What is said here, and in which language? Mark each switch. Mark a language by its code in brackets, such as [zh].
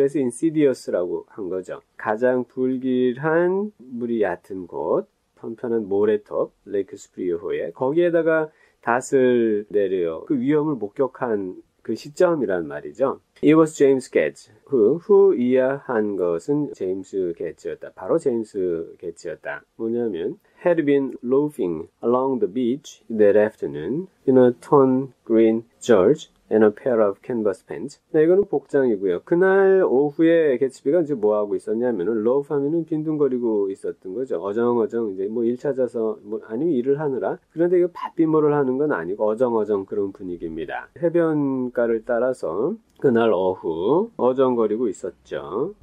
[ko] 그래서 insidious라고 한 거죠. 가장 불길한 물이 얕은 곳, 평평한 모래터, Lake Superior호에 거기에다가 닷을 내려요. 그 위험을 목격한 그 시점이란 말이죠. [en] It was James Gatch. [ko] Who 이하한 것은 제임스 게츠였다. 바로 제임스 게츠였다. 뭐냐면 [en] had been loafing along the beach that afternoon in a torn green George and a pair of canvas pants. [ko] 네, 이거는 복장이고요. 그날 오후에 개츠비가 이제 뭐 하고 있었냐면은 loaf하면은 빈둥거리고 있었던 거죠. 어정어정 이제 뭐 일 찾아서 뭐 아니면 일을 하느라 그런데 이거 밭빙물을 하는 건 아니고 어정어정 그런 분위기입니다. 해변가를 따라서 그날 오후 어정거리고 있었죠.